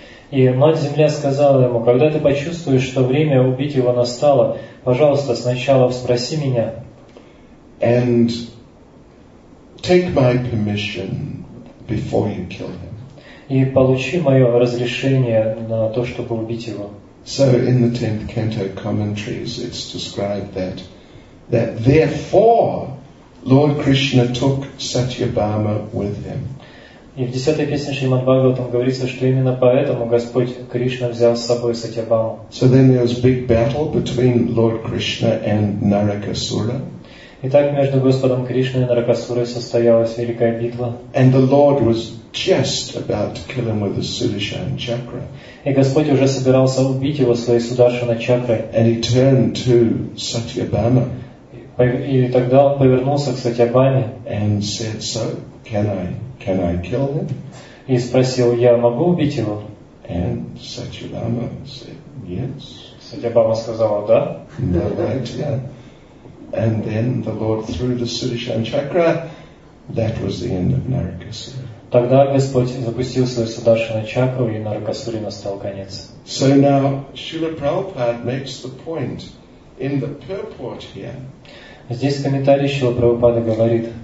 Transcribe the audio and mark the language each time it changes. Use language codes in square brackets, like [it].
[ru] И Мать Земля сказала ему, когда ты почувствуешь, что время убить его настало, пожалуйста, сначала спроси меня. [en] And take my permission before you kill him. [ru] И получи мое разрешение на то, чтобы убить его. [en] So in the 10th canto commentaries it's described that therefore Lord Krishna took Сатьябхама with him. [ru] И в 10-й песне Шримад-Бхагаватам говорится, что именно поэтому Господь Кришна взял с собой Сатьябхаму. [en] So then there was a big battle between Lord Krishna and Narakasura. [ru] Итак, между Господом Кришной и Наракасурой состоялась великая битва. [en] And the Lord was just about to kill him with his Sudarshan chakra. [ru] И Господь уже собирался убить его своей Сударшаной чакрой. [en] And he turned to Сатьябхама. [ru] И тогда он повернулся к Сатьябхаме. [en] And said, so, can I kill him? [ru] И спросил, я могу убить его? [en] And Сатьябхама said, yes. [ru] Сатьябхама сказала, да. [en] No idea. And then the Lord threw the Sudarshan chakra. That was the end of Narakasura. [ru] Тогда Господь запустил свою Сударшану чакру, и Наракасуре настал конец. [en] So now Srila Prabhupada makes the point in the purport here. [ru] Здесь комментарий Шрила Прабхупады говорит,